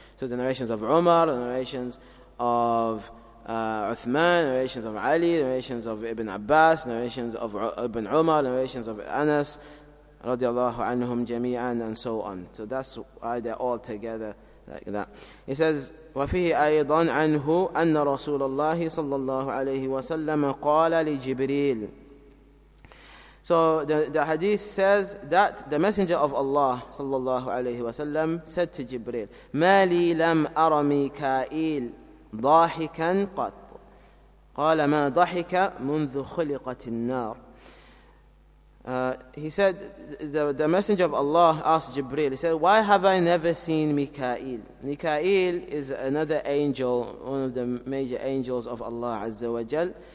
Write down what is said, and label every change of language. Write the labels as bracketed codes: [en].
[en] So the narrations of Umar, the narrations of Uthman, narrations of Ali, narrations of Ibn Abbas, narrations of Ibn Umar, narrations of Anas, radiallahu anhum jami'an, and so on. So that's why they're all together like that. He says, [ar] وَفِيهِ أَيْضًا عَنْهُ أَنَّ رَسُولَ اللَّهِ صَلَّى اللَّهُ عَلَيْهِ وَسَلَّمَ قَالَ لِجِبْرِيلِ. [en] So the hadith says that the Messenger of Allah [ar] صلى الله عليه وسلم [en] said to Jibreel, [ar] مَا لِي لَمْ أَرَ مِيكَائِيلَ ضَاحِكًا قَطُ قَالَ مَا ضَحِكَ مُنْذُ خُلِقَتِ النَّارِ. [en] He said, the Messenger of Allah asked Jibreel, he said, why have I never seen Mikael? Mikael is another angel, one of the major angels of Allah Azza wa Jal.